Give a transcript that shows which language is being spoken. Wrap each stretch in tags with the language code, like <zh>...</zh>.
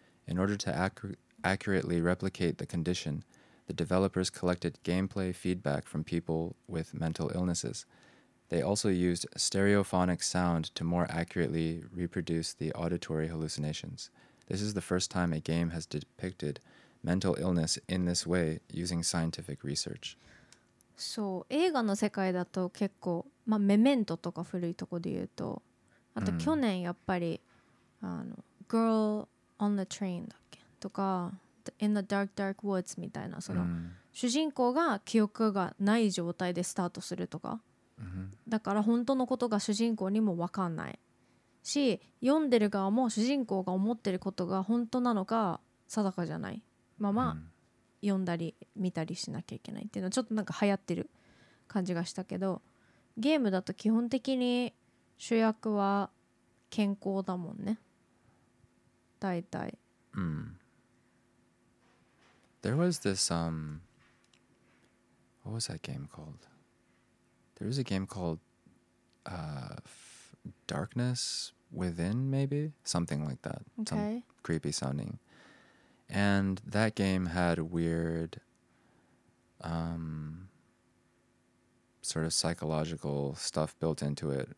<en>In order to accurately replicate the condition, the developers collected gameplay feedback from people with mental illnesses. They also used stereophonic sound to more accurately reproduce the auditory hallucinations. This is the first time a game has depicted mental illness in this way using scientific research.</en> <ja>そう、映画の世界だと結構、まあ、メメントとか古いとこで言うと、あと去年やっぱり、あの Girl on the Train だっけとか In the Dark Dark Woods みたいな、その、主人公が記憶がない状態でスタートするとか、だから本当のことが主人公にも分かんないし、読んでる側も主人公が思ってることが本当なのか定かじゃないまま、読んだり見たりしなきゃいけないっていうのはちょっとなんか流行ってる感じがしたけど、ゲームだと基本的に主役は健康だもんね、大体。</ja> <en>There was this what was that game called? There was a game called Darkness Within, maybe something like that. Okay. Some creepy sounding. And that game had weird, sort of psychological stuff built into it.</en>